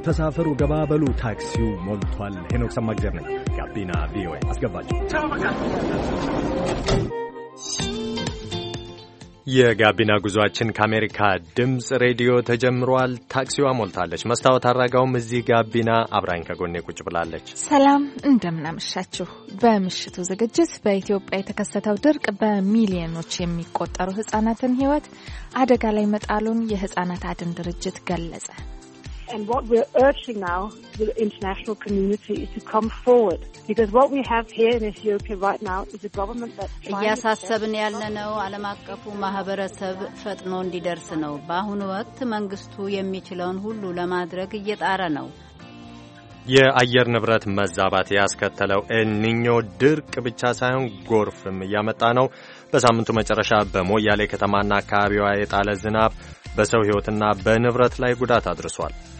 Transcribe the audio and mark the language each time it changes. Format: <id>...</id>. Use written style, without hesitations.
<am>ተሳፈሩ፣ ገባ በሉ፣ ታክሲው ሞልቷል። ሄኖክ ሰማእግዜር ነኝ። ጋቢና ቪኦኤ አስገባችሁ። የጋቢና ጉዟችን ከአሜሪካ ድምፅ ሬዲዮ ተጀምሯል። ታክሲዋ ሞልታለች። መስታወት አድራጋውም እዚህ ጋቢና አብራኝ ከጎኔ ቁጭ ብላለች። ሰላም እንደምናመሻችሁ። በምሽቱ ዝግጅት በኢትዮጵያ የተከሰተው ድርቅ በሚሊዮኖች የሚቆጠሩ ሕጻናትን ሕይወት አደጋ ላይ መጣሉን የሕጻናት አድን ድርጅት ገለጸ።</am> <en>And what we're urging now the international community is to come forward, because what we have here in Ethiopia right now is a government that</en> <am>እያሳሰብን ያለነው ዓለም አቀፉ ማህበረሰብ ፈጥኖ እንዲደርስ ነው። በአሁኑ ወቅት መንግስቱ የሚችለውን ሁሉ ለማድረግ እየጣረ ነው። የአየር ንብረት መዛባት ያስከተለው ኤልኒኞ ድርቅ ብቻ ሳይሆን ጎርፍም ያመጣ ነው። በሳምንቱ መጨረሻ በሞያሌ ከተማና አካባቢዋ የጣለ ዝናብ በሰው ህይወትና በንብረት ላይ ጉዳት አድርሷል።</am>